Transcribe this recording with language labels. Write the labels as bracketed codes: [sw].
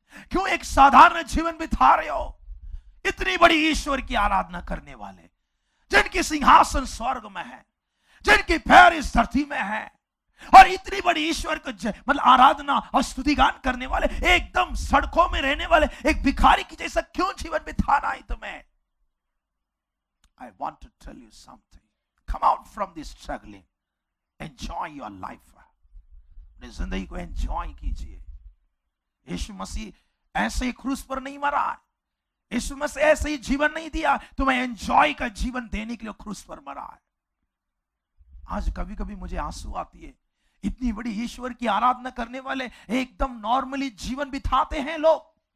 [hi] क्यों एक साधारण जीवन बिता रहे हो? इतनी बड़ी ईश्वर की आराधना करने वाले, जिनकी सिंहासन स्वर्ग में है, जिनकी पैर इस धरती में है, और इतनी बड़ी ईश्वर को मतलब आराधना और स्तुतिगान करने वाले, एकदम सड़कों में रहने वाले एक भिखारी की जैसा क्यों जीवन बिताना है तुम्हें? [en] I want to tell you something. Come out from this struggling. Enjoy your life. [hi] अपने जिंदगी को enjoy कीजिए। यीशु मसीह ऐसे ही क्रूस पर नहीं मरा, यीशु मसीह ऐसे ही जीवन नहीं दिया, तुम्हें enjoy का जीवन देने के लिए क्रूस पर मरा है। आज कभी कभी मुझे आंसू आती है, इतनी बड़ी ईश्वर की आराधना करने वाले एकदम नॉर्मली जीवन बिताते हैं लोग।